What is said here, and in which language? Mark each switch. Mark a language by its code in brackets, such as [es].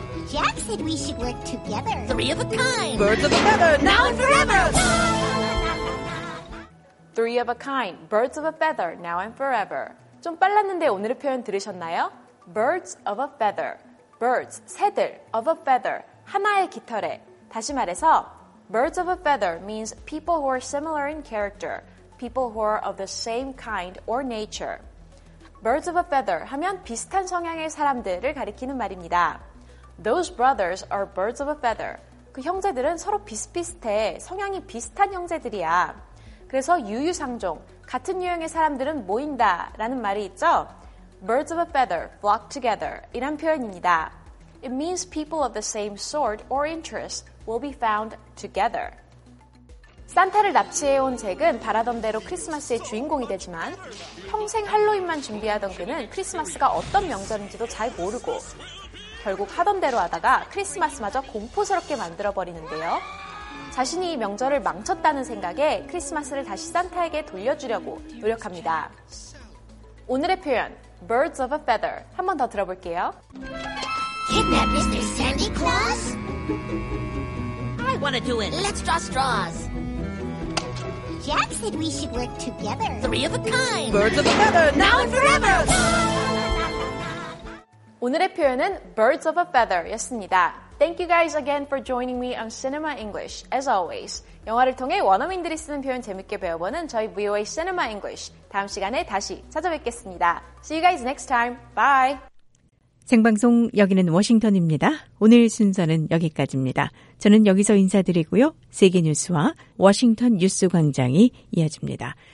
[en] Jack said we should work together. Three of a kind. Birds of a Feather, now and forever. Three of a kind, birds of a feather, now and forever. [ko] 좀 빨랐는데 오늘의 표현 들으셨나요? [en] Birds of a feather, birds, [ko] 새들, [en] of a feather, [ko] 하나의 깃털에. 다시 말해서, [en] birds of a feather means people who are similar in character, people who are of the same kind or nature. Birds of a feather [ko] 하면 비슷한 성향의 사람들을 가리키는 말입니다. [en] Those brothers are birds of a feather. [ko] 그 형제들은 서로 비슷비슷해, 성향이 비슷한 형제들이야. 그래서 유유상종, 같은 유형의 사람들은 모인다 라는 말이 있죠. [en] Birds of a feather flock together [ko] 이란 표현입니다. [en] It means people of the same sort or interest will be found together. [ko] 산타를 납치해온 잭은 바라던 대로 크리스마스의 주인공이 되지만 평생 할로윈만 준비하던 그는 크리스마스가 어떤 명절인지도 잘 모르고 결국 하던 대로 하다가 크리스마스마저 공포스럽게 만들어버리는데요. 자신이 이 명절을 망쳤다는 생각에 크리스마스를 다시 산타에게 돌려주려고 노력합니다. 오늘의 표현, [en] birds of a feather, [ko] 한 번 더 들어볼게요. [en] Kidnap Mr. Santa Claus? I want to do it. Let's draw straws. Jack said we should work together. Three of a kind. Birds of a feather, now and forever. [ko] 오늘의 표현은 [en] birds of a feather였습니다. Thank you guys again for joining me on Cinema English, as always. [ko] 영화를 통해 원어민들이 쓰는 표현 재밌게 배워보는 저희 VOA Cinema English. 다음 시간에 다시 찾아뵙겠습니다. [en] See you guys next time. Bye. [ko] 생방송 여기는 워싱턴입니다. 오늘 순서는 여기까지입니다. 저는 여기서 인사드리고요. 세계뉴스와 워싱턴 뉴스광장이 이어집니다.